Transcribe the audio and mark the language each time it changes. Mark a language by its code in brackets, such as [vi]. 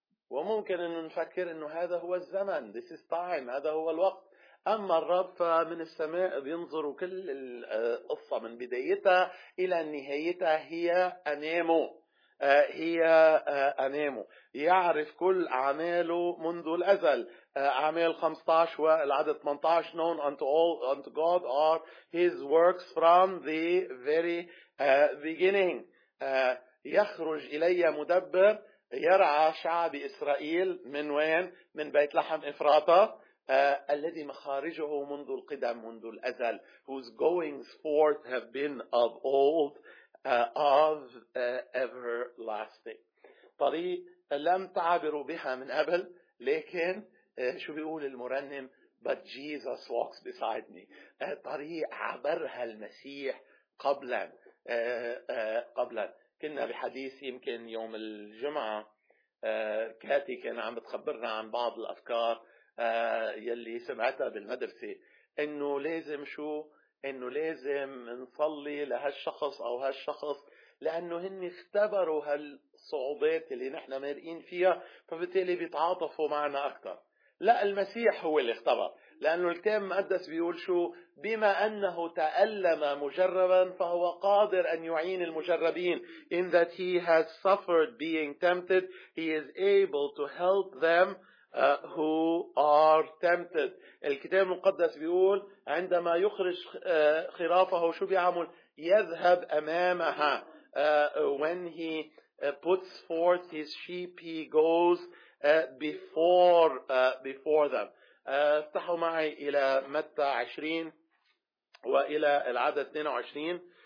[ar] وممكن أن نفكر أنه هذا هو الزمن، [en] This is time، [ar] هذا هو الوقت. أما الرب فمن السماء بينظر، كل القصة من بدايتها إلى نهايتها هي أمامه، هي أمامه، يعرف كل أعماله منذ الأزل. أعمال 15 والعدد 18 [en] known unto God are his works from the very beginning. [ar] يخرج إلي مدبر يرعى شعب إسرائيل، من وين؟ من بيت لحم إفراطة، الذي مخارجه منذ القدم، منذ الأزل. [en] Whose goings forth have been of old, of everlasting. [ar] طريق لم تعبروا بها من قبل، لكن شو بيقول المرنم؟ [en] But Jesus walks beside me. [ar] طريق عبرها المسيح قبلا. قبلا كنا بحديث يمكن يوم الجمعة، كاتي كان عم بتخبرنا عن بعض الأفكار يلي سمعتها بالمدرسة، إنه لازم شو؟ إنه لازم نصلي لهالشخص أو هالشخص، لأنه هن اختبروا هالصعوبات اللي نحن مارقين فيها، فبالتالي بيتعاطفوا معنا أكثر. لا، المسيح هو اللي اختبر، لأنه الكتاب المقدس بيقول شو؟ بما أنه تألم مجربا فهو قادر أن يعين المجربين. [en] In that he has suffered being tempted, he is able to help them who are tempted. [ar] الكتاب المقدس بيقول عندما يخرج خرافه شو بيعمل؟ يذهب أمامها. [en] When he puts forth his sheep he goes before them. [ar] افتحوا معي إلى متى 20 وإلى العدد 22.